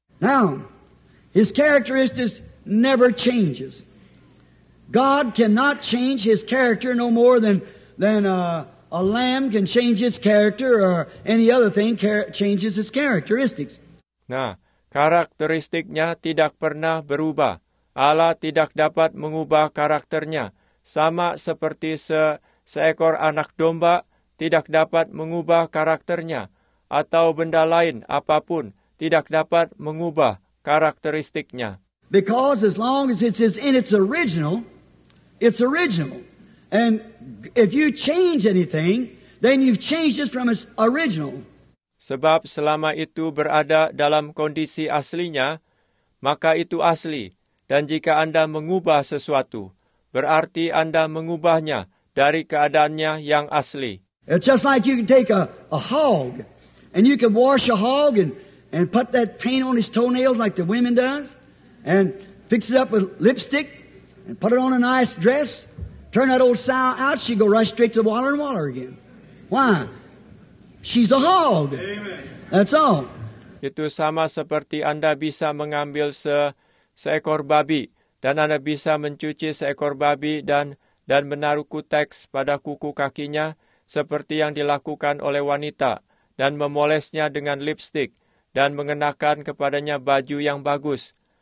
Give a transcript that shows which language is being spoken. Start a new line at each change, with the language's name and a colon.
English: Now, his characteristics never changes. God cannot change his character no more than a lamb can change its character or any other thing changes its characteristics.
Indonesian: Nah, karakteristiknya tidak pernah berubah. Allah tidak dapat mengubah karakternya, sama seperti seekor anak domba tidak dapat mengubah karakternya, atau benda lain apapun tidak dapat mengubah karakteristiknya.
English: Because as long as it's in its original, it's original. And if you change anything, then you've changed it from its original.
Indonesian: Sebab selama itu berada dalam kondisi aslinya, maka itu asli. Dan jika Anda mengubah sesuatu, berarti Anda mengubahnya dari keadaannya yang asli.
English: It's just like you can take a hog, and you can wash a hog and put that paint on his toenails like the women does, and fix it up with lipstick, and put it on a nice dress, turn that old sow out, she go right straight to the water and water again. Why? She's a hog. Amen. That's all.
Indonesian: Itu sama seperti Anda bisa mengambil seekor babi, dan Anda bisa mencuci seekor babi dan menaruh kuteks pada kuku kakinya, seperti yang dilakukan oleh wanita, dan memolesnya dengan lipstik, dan mengenakan kepadanya baju yang bagus.